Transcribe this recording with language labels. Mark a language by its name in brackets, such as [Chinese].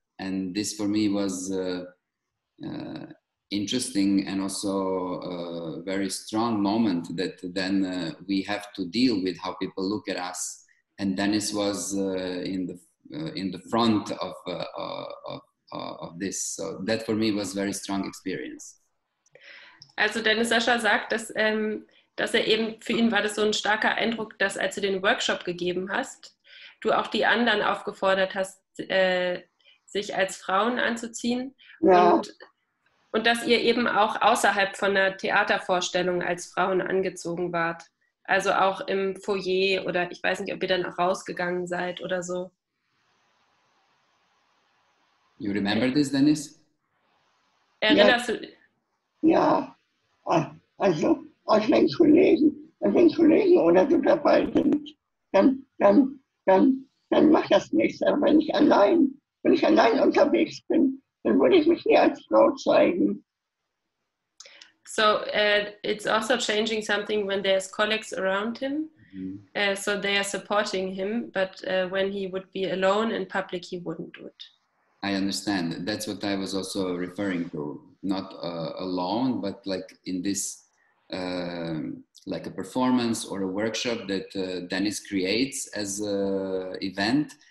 [English] And this for me was interesting and also a very strong moment that then we have to deal with how people look at us. And Dennis was in the front of this. So that for me was a very strong experience. [German] Also Dennis Sascha sagt, dass er eben, für ihn war das so ein starker Eindruck, dass als du den Workshop gegeben hast, du auch die anderen aufgefordert hast, sich als Frauen anzuziehen. Ja. Und dass ihr eben auch außerhalb von einer Theatervorstellung als Frauen angezogen wart. Also auch im Foyer oder ich weiß nicht, ob ihr dann auch rausgegangen seid oder so. [English] You remember this, Dennis? [German] Erinnerst du? Ja, also aus den Kollegen, oder du dabei bist, dann mach das nicht. Aber wenn ich allein, unterwegs bin, dann würde ich mich nie als Frau zeigen. [English] So it's also changing something when there's colleagues around him. Mm-hmm. So they are supporting him, but when he would be alone in public, he wouldn't do it. I understand. That's what I was also referring to. Not alone, but like in this, like a performance or a workshop that Dennis creates as an event.